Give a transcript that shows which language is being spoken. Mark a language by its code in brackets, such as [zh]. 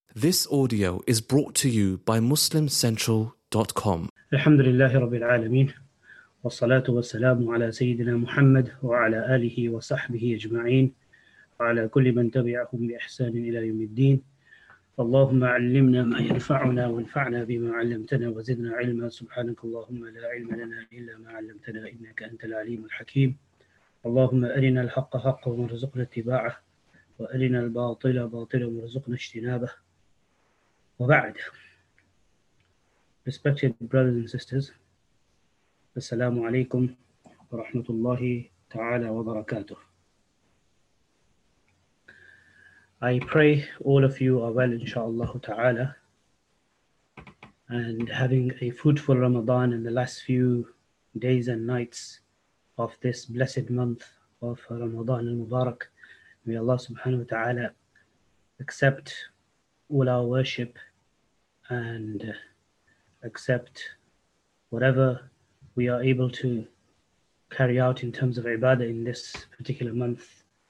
[en] This audio is brought to you by MuslimCentral.com. [ar] الحمد لله رب العالمين والصلاة والسلام على سيدنا محمد وعلى آله وصحبه أجمعين وعلى كل من تبعهم بإحسان إلى يوم الدين. اللهم علمنا ما ينفعنا وانفعنا بما علمتنا وزدنا علما. سبحانك اللهم لا علم لنا إلا ما علمتنا إنك أنت العليم الحكيم. اللهم أرنا الحق حقا وارزقنا اتباعه وأرنا الباطل باطلا وارزقنا اجتنابه. وبعد, [en] respected brothers and sisters, [ar] السلام عليكم ورحمة الله تعالى وبركاته. [en] I pray all of you are well, inshallah ta'ala, and having a fruitful Ramadan in the last few days and nights of this blessed month of Ramadan al-Mubarak. May Allah subhanahu wa ta'ala accept all our worship and accept whatever we are able to carry out in terms of ibadah in this particular month.